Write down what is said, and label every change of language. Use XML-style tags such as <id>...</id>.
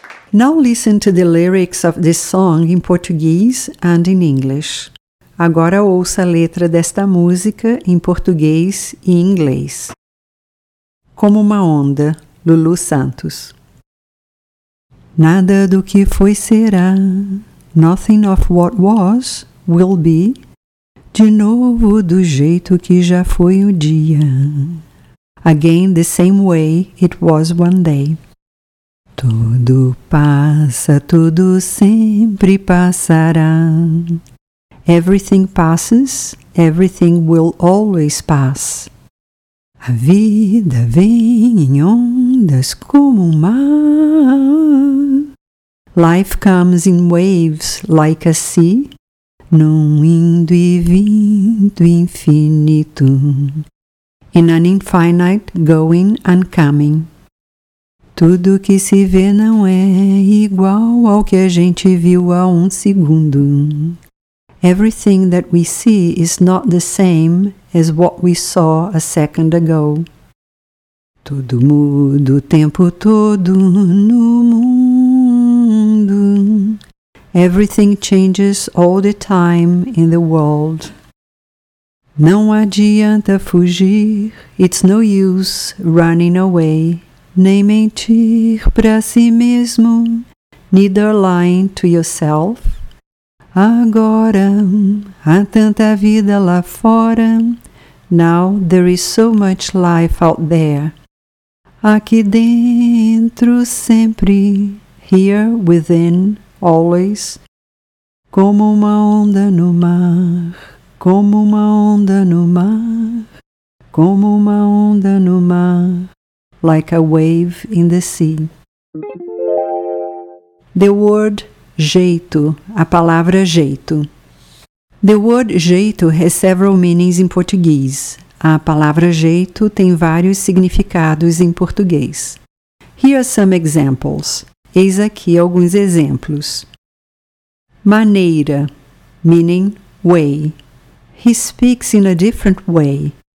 <en>Now listen to the lyrics of this song in Portuguese and in English.</en> <pt>Agora ouça a letra desta música em português e inglês. Como uma onda, Lulu Santos. Nada do que foi será,</pt> <en>nothing of what was will be,</en> <pt>de novo do jeito que já foi um dia,</pt> <en>again the same way it was one day.</en> <pt>Tudo passa, tudo sempre passará.</pt> <en>Everything passes, everything will always pass.</en> <pt>A vida vem em ondas como o mar.</pt> <en>Life comes in waves like a sea,</en> <pt>num indo e vindo infinito,</pt> <en>in an infinite going and coming.</en> <pt>Tudo que se vê não é igual ao que a gente viu há segundo.</pt> <en>Everything that we see is not the same as what we saw a second ago.</en> <pt>Tudo muda o tempo todo no mundo.</pt> <en>Everything changes all the time in the world.</en> <pt>Não adianta fugir,</pt> <en>it's no use running away.</en> <pt>Nem mentir pra si mesmo,</pt> <en>neither lying to yourself.</en> <pt>Agora, há tanta vida lá fora.</pt> <en>Now there is so much life out there.</en> <pt>Aqui dentro sempre,</pt> <en>here within always.</en> <pt>Como uma onda no mar, Como uma onda no mar, como uma onda no mar,</pt> <en>like a wave in the sea. The word jeito,</en> <pt>a palavra jeito.</pt> <en>The word jeito has several meanings in Portuguese.</en> <pt>A palavra jeito tem vários significados em português.</pt> <en>Here are some examples.</en> <pt>Eis aqui alguns exemplos.</pt> <en>Maneira, meaning way. He speaks in a different way.</en>